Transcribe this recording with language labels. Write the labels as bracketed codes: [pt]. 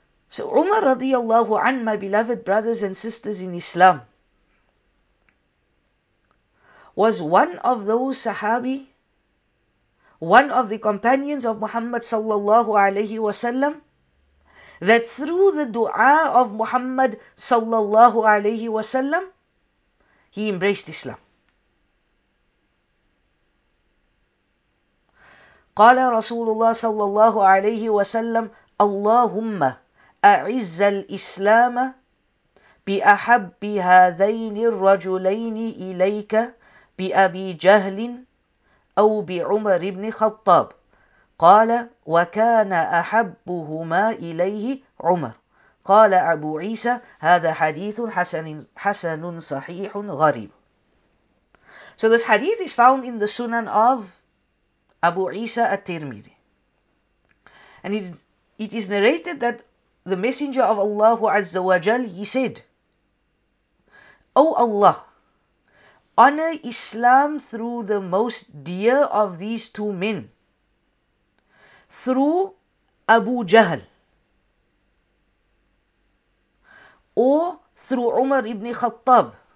[en] So Umar radiallahu anhu, my beloved brothers and sisters in Islam, was one of those Sahabi, one of the companions of Muhammad sallallahu alayhi wa sallam, that through the dua of Muhammad sallallahu alayhi wa sallam, he embraced Islam. [ar] قال رسول الله صلى الله عليه وسلم اللهم أعز الإسلام بأحب هذين الرجلين إليك بأبي جهل أو بعمر بن خطاب قال وكان أحبهما إليه عمر قال أبو عيسى هذا حديث حسن صحيح غريب. [en] So this hadith is found in the Sunan of Abu Isa at-Tirmidhi. And it is narrated that the Messenger of Allah Azza wa Jal, he said, O Allah, honor Islam through the most dear of these two men, through Abu Jahl, or through Umar ibn Khattab.